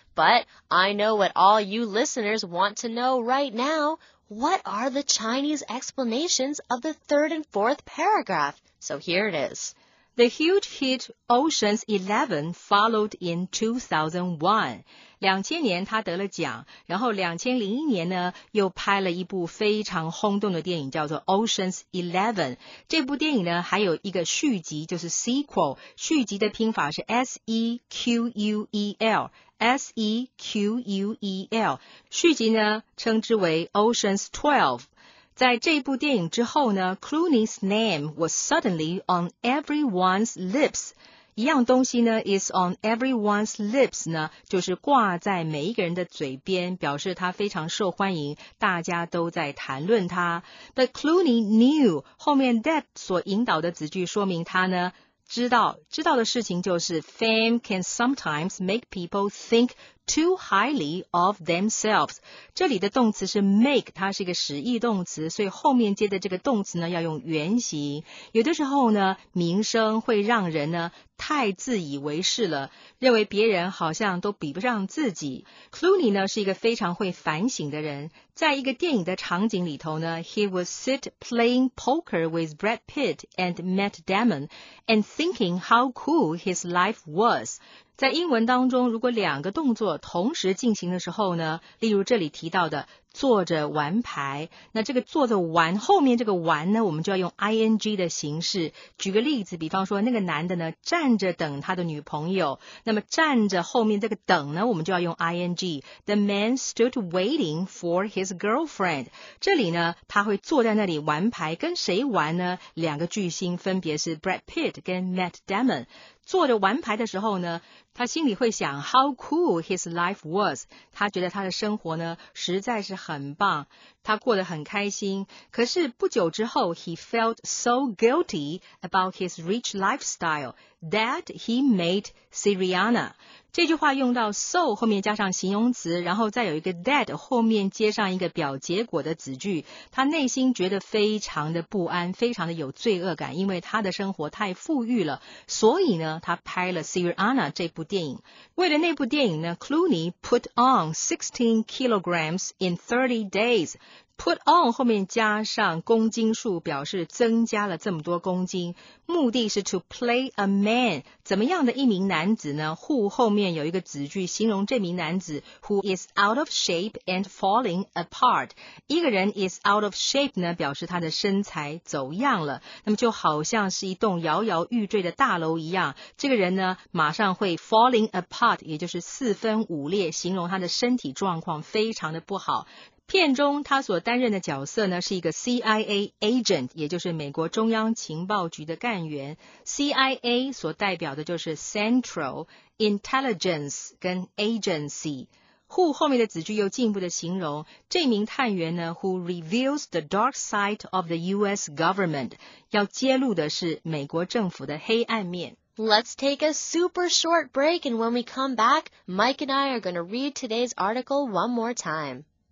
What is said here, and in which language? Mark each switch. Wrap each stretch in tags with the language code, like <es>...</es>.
<en>But I know what all you listeners want to know right now. What are the Chinese explanations of the third and fourth paragraph? So here it is. The huge hit Ocean's 11 followed in 2001.</en> <zh>2000年他得了奖，然后2001年呢又拍了一部非常轰动的电影叫做 Ocean's Eleven。这部电影呢还有一个续集，就是 sequel， 续集的拼法是 sequel。 SEQUEL， 续集呢称之为 Ocean's 12。在这部电影之后呢，</zh> <en>Clooney's name was suddenly on everyone's lips，</en> <zh>一样东西呢</zh> <en>is on everyone's lips</en> <zh>呢，就是挂在每一个人的嘴边，表示它非常受欢迎，大家都在谈论它。</zh> <en>But Clooney knew 后面 that</en> <zh>所引导的子句说明他呢知道的事情就是</zh> <en>fame can sometimes make people think too highly of themselves.</en> <zh>这里的动词是 make, 它是一个实义动词，所以后面接的这个动词呢要用原形。有的时候呢名声会让人呢太自以为是了，认为别人好像都比不上自己。</zh> <en>Clooney</en> <zh>呢是一个非常会反省的人，在一个电影的场景里头呢</zh> <en>,he would sit playing poker with Brad Pitt and Matt Damon and thinking how cool his life was.</en> <zh>在英文当中如果两个动作同时进行的时候呢，例如这里提到的坐着玩牌，那这个坐着玩后面这个玩呢我们就要用 ing 的形式。举个例子，比方说那个男的呢站着等他的女朋友，那么站着后面这个等呢我们就要用 ing。</zh> <en>The man stood waiting for his girlfriend，</en> <zh>这里呢他会坐在那里玩牌，跟谁玩呢？两个巨星分别是 Brad Pitt 跟 Matt Damon。坐着玩牌的时候呢，他心里会想</zh> <en>how cool his life was，</en> <zh>他觉得他的生活呢实在是很棒，他过得很开心。可是不久之后</zh> <en>he felt so guilty about his rich lifestyle that he made Syriana。</en> <zh>这句话用到 so 后面加上形容词，然后再有一个 that 后面接上一个表结果的子句，他内心觉得非常的不安，非常的有罪恶感，因为他的生活太富裕了，所以呢他拍了 Syriana 这部电影。为了那部电影呢，</zh> <en>Clooney put on 16 kilograms in 30 days。</en> <zh>Put on 后面加上公斤数，表示增加了这么多公斤，目的是</zh> <en>to play a man，</en> <zh>怎么样的一名男子呢？</zh> <en>who</en> <zh>后面有一个子句形容这名男子</zh> <en>who is out of shape and falling apart。</en> <zh>一个人</zh> <en>is out of shape</en> <zh>呢，表示他的身材走样了，那么就好像是一栋摇摇欲坠的大楼一样，这个人呢马上会</zh> <en>falling apart，</en> <zh>也就是四分五裂，形容他的身体状况非常的不好。片中他所担任的角色呢是一个 CIA agent， 也就是美国中央情报局的干员。 CIA 所代表的就是 Central Intelligence 跟 Agency。 Who 后面的子句又进一步的形容这名探员呢</zh> <en>who reveals the dark side of the US government，</en> <zh>要揭露的是美国政府的黑暗面。</zh> <en>Let's take a super short break and when we come back Mike and I are going to read today's article one more time。</en>